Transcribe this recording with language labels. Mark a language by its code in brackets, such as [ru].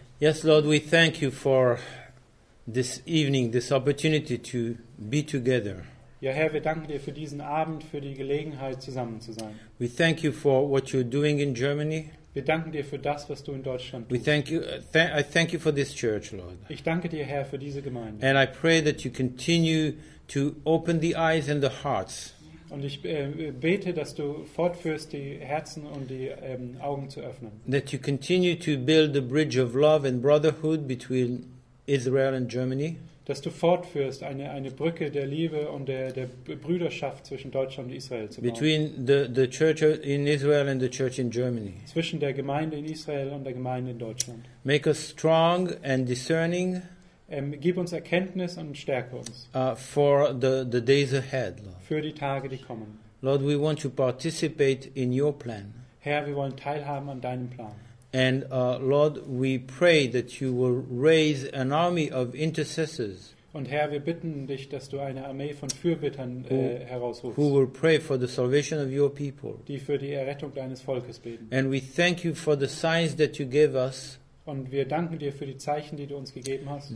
[en] Yes, Lord, we thank you for this evening, this opportunity to be together. [de] Ja, Herr, wir danken dir für diesen Abend, für die Gelegenheit, zusammen zu sein. [en] We thank you for what you're doing in Germany. [de] Wir danken dir für das, was du in Deutschland tust. [en] We thank you, I thank you for this church, Lord. [de] Ich danke dir, Herr, für diese Gemeinde. [en] And I pray that you continue to open the eyes and the hearts. [de] Und ich bete, dass du fortführst, die Herzen und die Augen zu öffnen. [en] That you continue to build the bridge of love and brotherhood between Israel and Germany. [de] Dass du fortführst, eine Brücke der Liebe und der Brüderschaft zwischen Deutschland und Israel zu bauen. [en] Between the church in Israel and the church in Germany. [de] Zwischen der Gemeinde in Israel und der Gemeinde in Deutschland. [en] Make us strong and discerning. [de] Gib uns Erkenntnis und stärke uns. [en] For the days ahead, Lord. [de] Für die Tage, die kommen. [en] Lord, we want to participate in your plan. [de] Herr, wir wollen teilhaben an deinem Plan. [en] And Lord, we pray that you will raise an army of intercessors. [de] Und Herr, wir bitten dich, dass du eine Armee von Fürbittern herausrufst. [en] Who will pray for the salvation of your people. [de] Die für die Errettung deines Volkes beten. [en] And we thank you for the signs that you gave us. [de] Und wir danken dir für die Zeichen, die du uns gegeben hast.